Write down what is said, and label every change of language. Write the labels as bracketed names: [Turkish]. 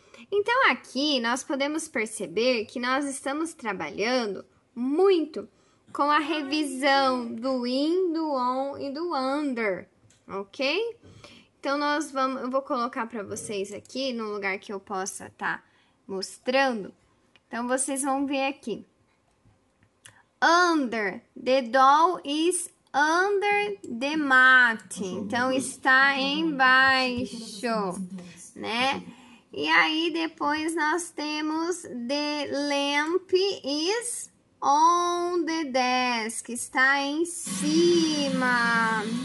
[Portuguese] Então, aqui, nós podemos perceber que nós estamos trabalhando muito com a revisão do in, do on e do under, ok? Então, nós vamos, eu vou colocar para vocês aqui, no lugar que eu possa estar mostrando. Então, vocês vão ver aqui. [English] Under. The doll is under the mat. [Portuguese] Então, está embaixo, né? E aí, depois nós temos [English] the lamp is on the desk. [Portuguese] Está em cima.